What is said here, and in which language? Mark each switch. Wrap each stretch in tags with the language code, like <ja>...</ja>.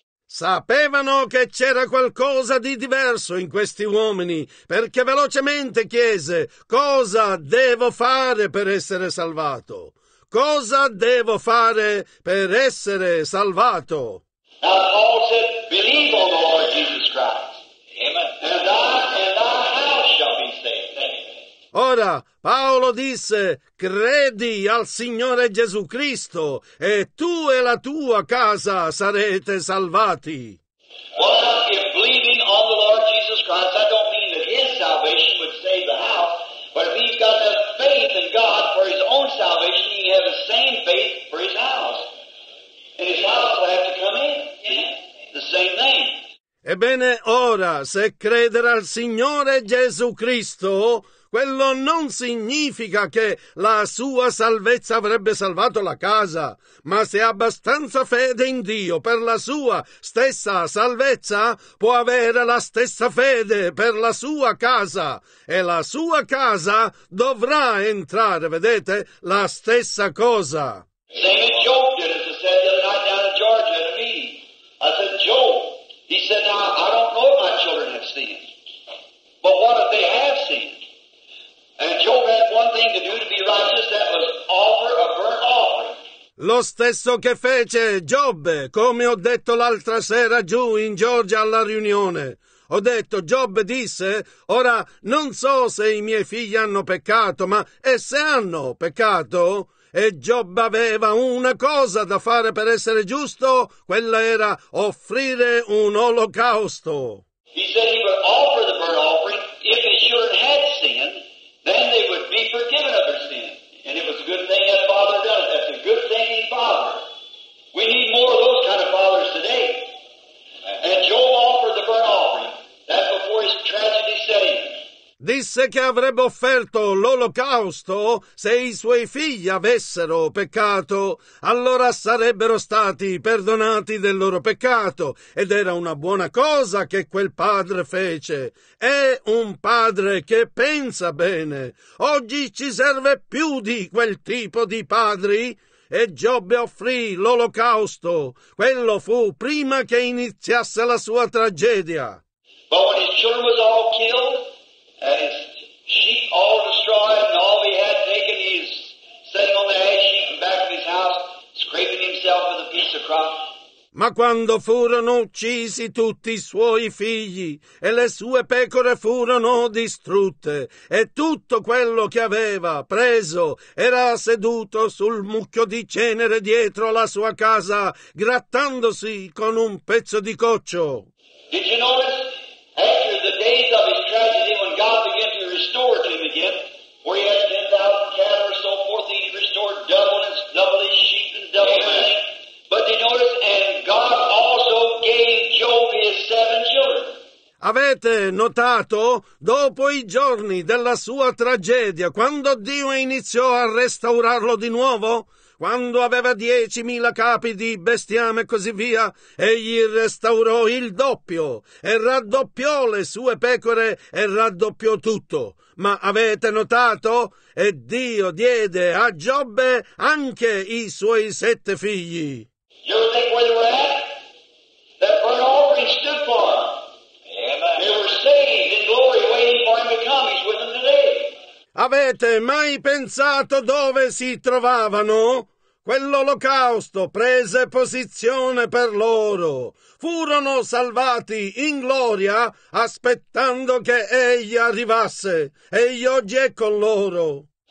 <it>Sapevano che c'era qualcosa di diverso in questi uomini, perché velocemente chiese: "Cosa devo fare per essere salvato? Cosa devo fare per essere salvato?"</it> <en>Now Paul said, "Believe on the Lord Jesus Christ. Amen. And thy house shall be saved." Amen.</en> <it>Ora Paolo disse: "Credi al Signore Gesù Cristo e tu e la tua casa sarete salvati."</it> <en>Well, if believing on the Lord Jesus Christ, I don't mean that his salvation would save the house, but if he's got the faith in God for his own salvation, he has the same faith for his house. And his house will have to come in. The same name.</en> <it>Ebbene, ora, se credere al Signore Gesù Cristo, quello non significa che la sua salvezza avrebbe salvato la casa, ma se ha abbastanza fede in Dio per la sua stessa salvezza, può avere la stessa fede per la sua casa, e la sua casa dovrà entrare, vedete, la stessa cosa.</it> <en>Same as Job did, as I said the other night down in Georgia at a meeting. I said, "Job, he said, now I don't know if my children have sinned, but what if they have sinned? And Job had one thing to do to be righteous, that was offer a burnt offering."</en> <it>Lo stesso che fece Giobbe, come ho detto l'altra sera giù in Georgia alla riunione. Ho detto, Giobbe disse, "Ora non so se i miei figli hanno peccato, ma e se hanno peccato?" E Giobbe aveva una cosa da fare per essere giusto, quella era offrire un olocausto.</it> <en>He said he would offer the burnt offering if his children had sinned. Then they would be forgiven of their sin. And it was a good thing that father done it. That's a good thing, father. We need more of those kind of fathers today. And Job offered the burnt offering. That before his tragedy set in.</en> <it>Disse che avrebbe offerto l'olocausto se i suoi figli avessero peccato, allora sarebbero stati perdonati del loro peccato, ed era una buona cosa che quel padre fece. È un padre che pensa bene. Oggi ci serve più di quel tipo di padri. E Giobbe offrì l'olocausto. Quello fu prima che iniziasse la sua tragedia.</it> <en>But when his children was all killed, and his sheep all destroyed, and all he had taken, he is sitting on the ash heap in back of his house, scraping himself with a piece of crop.</en> <it>Ma quando furono uccisi tutti i suoi figli e le sue pecore furono distrutte e tutto quello che aveva preso era seduto sul mucchio di cenere dietro la sua casa grattandosi con un pezzo di coccio.</it> <en>Did you notice after the days of his tragedy when God began to restore him again where he had 10,000 cattle and so forth, he restored double his sheep and double his money. But did you notice, and God also gave Job his 7 children.</en> <it>Avete notato? Dopo i giorni della sua tragedia, quando Dio iniziò a restaurarlo di nuovo, quando aveva 10,000 capi di bestiame e così via, egli restaurò il doppio e raddoppiò le sue pecore e raddoppiò tutto. Ma avete notato? E Dio diede a Giobbe anche i suoi 7 figli.</it> <en>You ever think where they were at? That burnt offering stood for them. Amen. They were saved in glory waiting for him to come. He's with them today.</en> <it>Avete mai pensato dove si trovavano? Quell'olocausto prese posizione per loro. Furono salvati in gloria aspettando che egli arrivasse. Egli oggi è con loro.</it>